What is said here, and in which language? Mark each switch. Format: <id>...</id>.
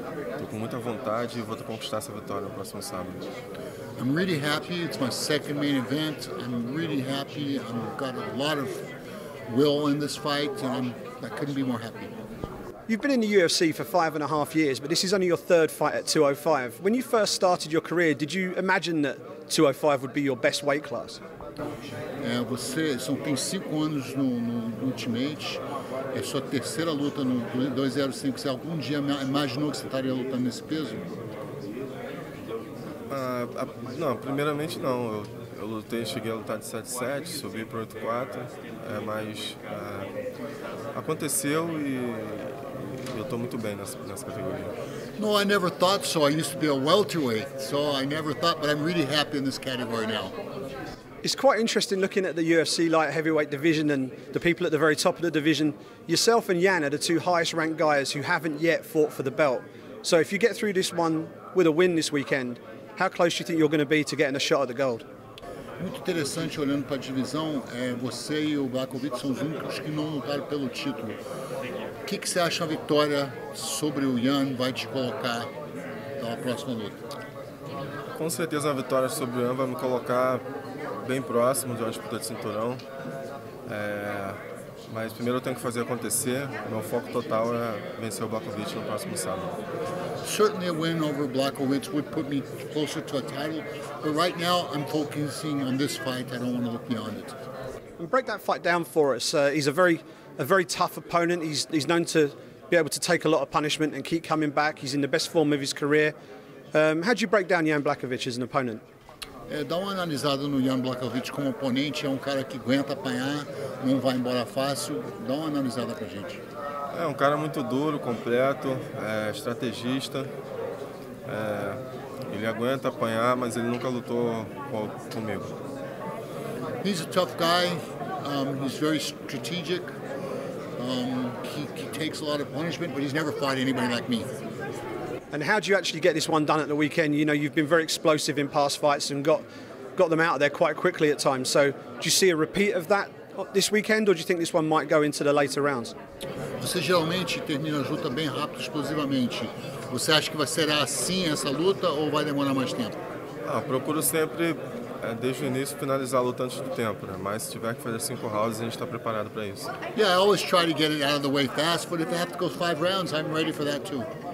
<pt>Estou com muita vontade e vou conquistar essa vitória no próximo sábado.</pt> <en>I'm really happy. It's my second main event. I'm really happy. I've got a lot of will in this fight and I couldn't be more happy. You've been in the UFC for 5.5 years, but this is only your third fight at 205. When you first started your career, did you imagine that 205 would be your best weight class?</en> <pt>Você só tem 5 anos no Ultimate, é sua terceira luta no 205. Você algum dia imaginou que você estaria lutando nesse peso? Não, primeiramente não. Eu lutei, cheguei a lutar de 7-7, subi para 8-4, mas aconteceu e eu estou muito bem nessa categoria.</pt> <en>No, I never thought so. I used to be a welterweight, so I never thought, but I'm really happy in this category now. It's quite interesting looking at the UFC light heavyweight division and the people at the very top of the division. Yourself and Yan are the two highest ranked guys who haven't yet fought for the belt. So if you get through this one with a win this weekend, how close do you think you're going to be to getting a shot at the gold?</en> <pt>Muito interessante olhando para a divisão, você e o Blachowicz são os únicos que não lutaram pelo título. O que você acha a vitória sobre o Yan vai te colocar na próxima luta? Com certeza a vitória sobre o Yan vai me colocar bem próximo de uma disputa de cinturão. Mas primeiro eu tenho que fazer acontecer. Meu foco total é vencer o Blachowicz no próximo sábado.</pt> <en>Certainly a win over Blachowicz would put me closer to a title, but right now I'm focusing on this fight. I don't want to look beyond it. And break that fight down for us. He's a very tough opponent. He's known to be able to take a lot of punishment and keep coming back. He's in the best form of his career. How do you break down Yan Blachowicz as an opponent?</en> <pt>Dá uma analisada no Yan Blachowicz como oponente, é cara que aguenta apanhar, não vai embora fácil. Dá uma analisada pra gente. É um cara muito duro, completo, estrategista. Ele aguenta apanhar, mas ele nunca lutou comigo.</pt> <en>He's a tough guy. He's very strategic. He takes a lot of punishment, but he's never fought anybody like me. And how do you actually get this one done at the weekend? You know, you've been very explosive in past fights and got them out of there quite quickly at times. So, do you see a repeat of that this weekend, or do you think this one might go into the later rounds?</en> <pt>Você geralmente termina a luta bem rápido, explosivamente. Você acha que vai ser assim essa luta ou vai demorar mais tempo? Procuro sempre, desde o início, finalizar a luta antes do tempo, né? Mas se tiver que fazer 5 rounds, a gente está preparado para isso.</pt> <en>Yeah, I always try to get it out of the way fast, but if I have to go 5 rounds, I'm ready for that too.</en>